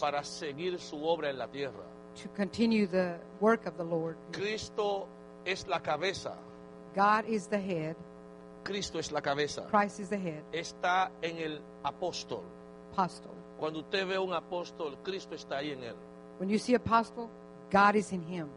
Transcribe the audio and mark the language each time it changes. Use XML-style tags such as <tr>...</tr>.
<es>Para seguir su obra en la tierra.</es> <en>To continue the work of the Lord.</en> <es>Cristo es la cabeza.</es> <en>God is the head.</en> <es>Cristo es la cabeza.</es> <en>Christ is the head.</en> <es>Está en el apóstol.</es> <en>Apostle.</en> <es>Cuando usted ve un apóstol, Cristo está ahí en él.</es> <en>When you see apostle, God is in him.</en>